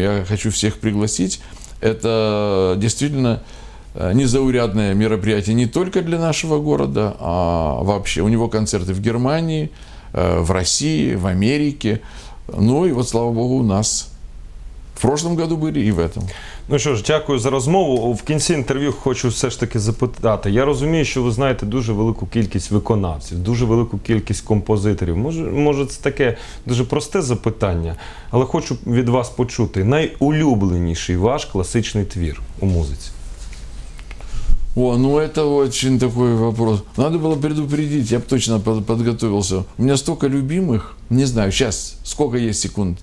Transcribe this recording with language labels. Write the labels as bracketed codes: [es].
[ru] Я хочу всех пригласить. Это действительно незаурядное мероприятие не только для нашего города, а вообще. У него концерты в Германии, в России, в Америке. Ну и вот, слава Богу, у нас в прошлом году были и в этом. [uk] Ну що ж, дякую за розмову. В кінці інтерв'ю хочу все ж таки запитати. Я розумію, що ви знаєте дуже велику кількість виконавців, дуже велику кількість композиторів. Може це таке дуже просте запитання, але хочу від вас почути найулюбленіший ваш класичний твір у музиці. [ru] О, ну это очень такой вопрос. Надо было предупредить, я бы точно подготовился. У меня столько любимых, не знаю, сейчас, сколько есть секунд?